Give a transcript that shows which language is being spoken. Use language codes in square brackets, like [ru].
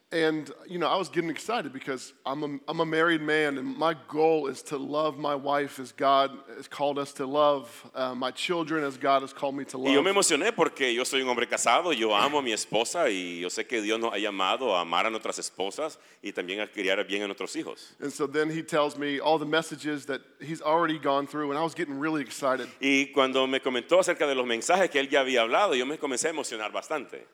[en] And you know, I was getting excited because I'm a married man, and my goal is to love my wife as God has called us to love, my children as God has called me to love. [es] Y yo me emocioné porque yo soy un hombre casado, yo amo a mi esposa, y yo sé que Dios nos ha llamado a amar a nuestras esposas y también a criar bien a nuestros hijos. [en] And so then he tells me all the messages that he's already gone through, and I was getting really excited. [es] Y cuando me comentó acerca de los mensajes que él ya había hablado, yo me comencé a emocionar bastante.